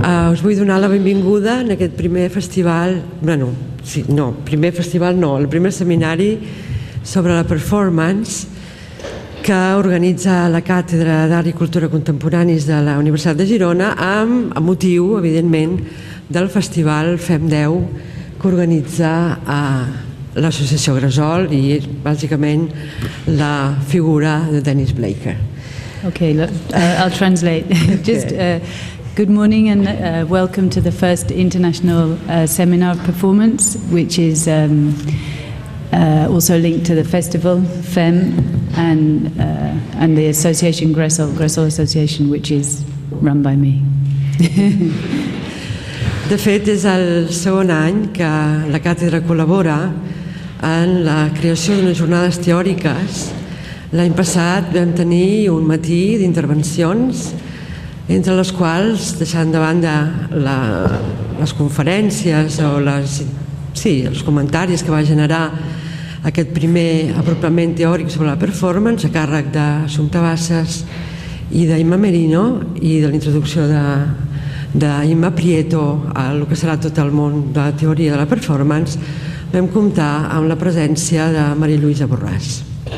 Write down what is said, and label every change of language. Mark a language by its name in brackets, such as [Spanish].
[Catalan] Us vull donar la benvinguda en aquest primer festival, el primer seminari sobre la performance que organitza la Càtedra d'Art i Cultura Contemporanis de la Universitat de Girona amb motiu, evidentment, del festival Fem 10 que organitza l'associació Gresol i, bàsicament, la figura de Dennis Blaker. [English] Okay, I'll translate. Just good morning and welcome to the first international seminar of performance, which is also linked to the festival FEM and the association Gresol Association, which is run by me. [Catalan] De fet, és el segon any que la càtedra col·labora en la creació d'unes jornades teòriques. L'any passat vam tenir un matí d'intervencions, entre les quals, deixant de banda les conferències o els comentaris que va generar aquest primer apropament teòric sobre la performance a càrrec d'Assumpta Bassas i d'Imma Merino i de l'introducció d'Imma Prieto a el que serà tot el món de la teoria de la performance, vam comptar amb la presència de Marie-Louise Borràs.